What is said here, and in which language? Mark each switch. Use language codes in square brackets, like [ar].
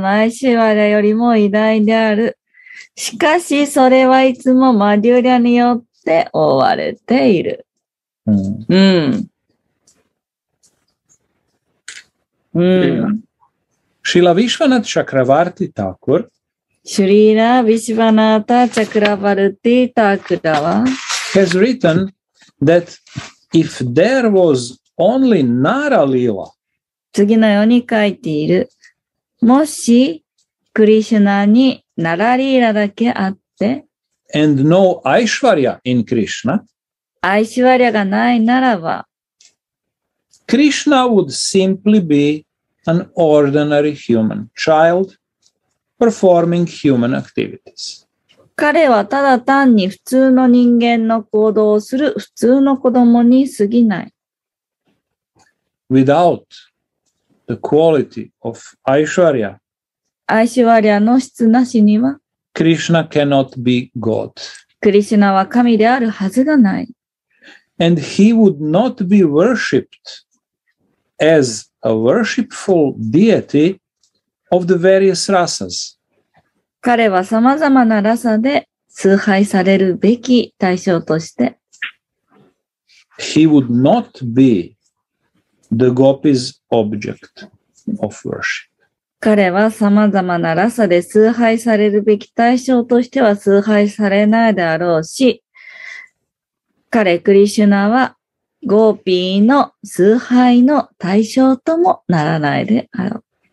[ja] しかしそれはいつもマデューリャによって覆われている。うん。うん。シラ・ヴィシュヴァナタ・チャクラヴァルティ・タクル。シリラ・ヴィシュヴァナタ・チャクラヴァルティ・タクラは。 [en] has written that if there was only Nara Lila. [ja] 次のように書いている。もし、クリシュナに、ナラリーラだけあって、 [en] and no Aishwarya in Krishna, [ja] Aishwarya がないならば、 [en] Krishna would simply be an ordinary human child performing human activities. [ja] 彼はただ単に普通の人間の行動をする普通の子供に過ぎない。 [en] Without the quality of Aishwarya, [ja] アイシュワリアの質なしには、 [en] クリシュナ cannot be God. [ja] クリシュナは神であるはずがない。 [en] And he would not be worshipped as a worshipful deity of the various rasas. [ja] 彼は様々なラサで崇拝されるべき対象として、 [en] he would not be the gopi's object of worship. [ja] 彼は様々なラサで崇拝されるべき対象としては崇拝されないであろうし、彼クリシュナはゴーピーの崇拝の対象ともならないであろう。